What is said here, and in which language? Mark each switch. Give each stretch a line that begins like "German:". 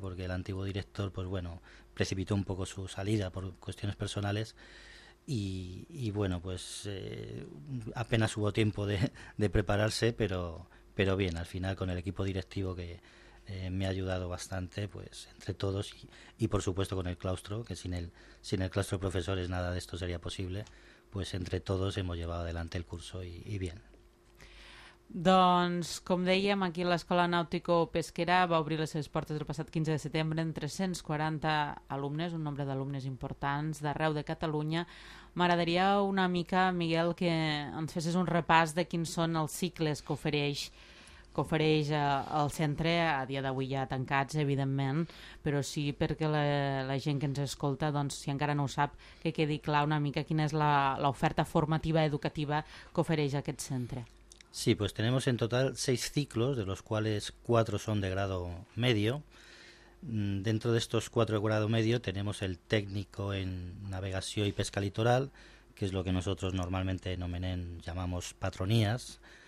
Spanish: Porque el antiguo director, pues bueno, precipitó un poco su salida por cuestiones personales y bueno, pues apenas hubo tiempo de prepararse, pero bien, al final con el equipo directivo que me ha ayudado bastante, pues entre todos y por supuesto con el claustro, que sin el claustro de profesores nada de esto sería posible, pues entre todos hemos llevado adelante el curso y bien.
Catalan: Doncs, com dèiem, aquí l'Escola Nàutico-Pesquera va obrir les seves portes el passat 15 de setembre amb 340 alumnes, un nombre d'alumnes importants d'arreu de Catalunya. M'agradaria una mica, Miguel, que ens fessis un repàs de quins són els cicles que ofereix el centre, a dia d'avui ja tancats, evidentment, però sí perquè la gent que ens escolta, doncs, si encara no ho sap, que quedi clar una mica quina és l'oferta formativa educativa que ofereix aquest centre.
Spanish: Sí, pues tenemos en total 6 ciclos, de los cuales 4 son de grado medio. Dentro de estos 4 de grado medio tenemos el técnico en navegación y pesca litoral, que es lo que nosotros normalmente en Omenén llamamos patronías.